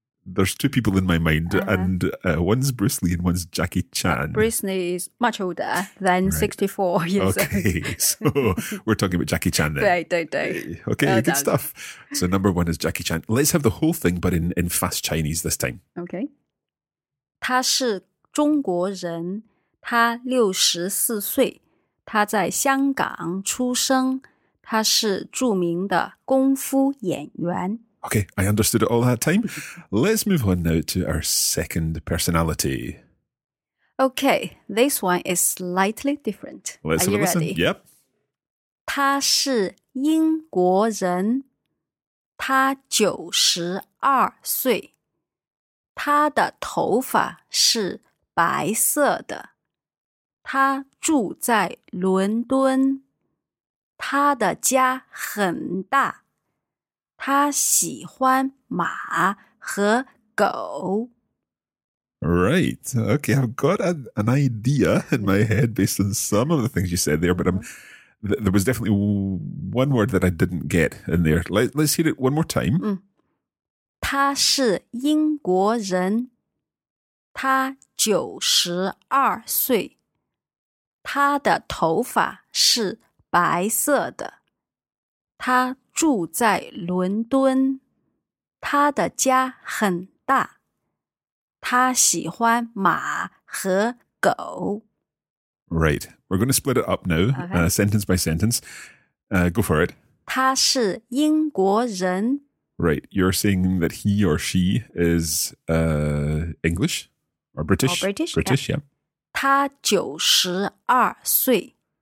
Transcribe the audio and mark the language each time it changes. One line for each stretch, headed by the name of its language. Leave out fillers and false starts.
English: There's two people in my mind, uh-huh. and one's Bruce Lee and one's Jackie Chan. Bruce Lee is much older than 64 years okay. old. Okay, so we're talking about Jackie Chan then. Right, right, right. Okay, well good done. Stuff. So number one is Jackie Chan. Let's have the whole thing, but in fast Chinese this time. Okay.
Chinese: 他是中国人,他64岁,他在香港出生,他是著名的功夫演员。
English: Okay, I understood it all that time. Let's move on now to our second personality. Okay, this one is slightly different. Let's Are you listen. Ready? Yep.
Chinese: 他是英国人，他九十二岁，他的头发是白色的，他住在伦敦，他的家很大。他喜欢马和狗。
English: Right. Okay, I've got an idea in my head based on some of the things you said there, but there was definitely one word that I didn't get in there. Let's hear it one more time.
Chinese: 他是英国人，他九十二岁，他的头发是白色的，他住在伦敦，他的家很大，他喜欢马和狗。
English: Right, we're going to split it up now, okay. Sentence by sentence. Go for it.
Chinese: 他是英国人。
English: Right, you're saying that he or she is English or British? Or British, British yeah.
Chinese: 他九十二岁。